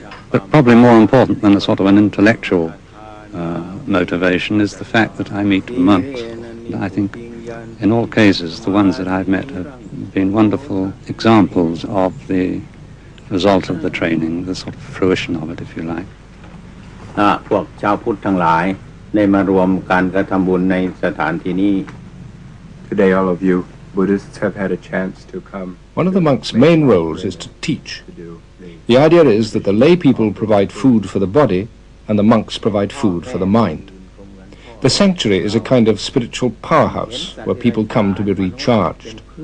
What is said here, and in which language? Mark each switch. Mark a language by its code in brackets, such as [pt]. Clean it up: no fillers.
[en] But probably more important than a sort of an intellectual motivation is the fact that I meet monks. And I think in all cases, the ones that I've met have been wonderful examples of the result of the training, the sort of fruition of it, if you like. [th] พวกชาวพุทธทั้งหลายได้มารวมกันกระทำบุญในสถานที่นี้ [en] Today all of you Buddhists have had a chance to come. One of the monks' main roles is to teach. The idea is that the lay people provide food for the body and the monks provide food for the mind. The sanctuary is a kind of spiritual powerhouse where people come to be recharged.